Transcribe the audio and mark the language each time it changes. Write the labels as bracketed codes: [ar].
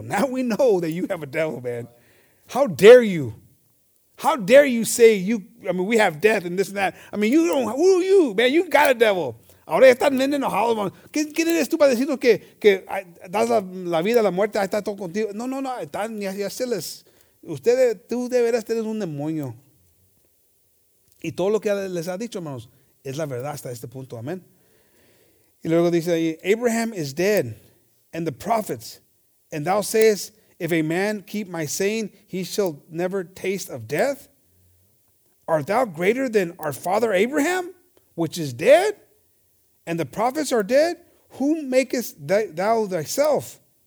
[en] Now we know that you have a devil, man. How dare you? How dare you say you, I mean, we have death and this and that. I mean, you don't, who are you, man? You got a devil. [es] Ahora están vendiendo Halloween. ¿Quién eres tú para decirnos que das la vida, la muerte, está todo contigo? No, no, no, están ya celos. Ustedes, tú deberás tener un demonio. Y todo lo que les ha dicho, hermanos, es la verdad hasta este punto. Amén. Y luego dice ahí, [en] Abraham is dead, and the prophets, and thou sayest, if a man keep my saying, he shall never taste of death. Art thou greater than our father Abraham, which is dead? And the prophets are dead? Whom makest thou thyself?